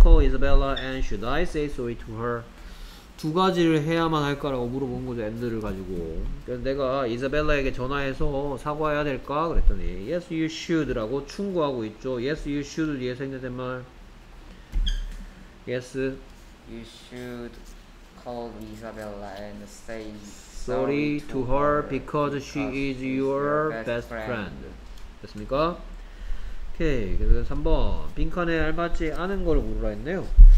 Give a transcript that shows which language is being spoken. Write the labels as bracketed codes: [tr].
[en] call Isabella and should I say sorry to her? [ko] 두 가지를 해야만 할까라고 물어본 거죠. And를 가지고. 그래서 내가 이사벨라에게 전화해서 사과해야 될까? 그랬더니 [en] Yes, you should라고 [ko] 충고하고 있죠. [en] Yes, you should [ko] 뒤에 생겨된 말. [en] Yes. You should call Isabella and say sorry to her because she is your best friend. [ko] 됐습니까? 오케이. 그래서 3번. 빈칸에 알맞지 않은 걸 물으라 했네요.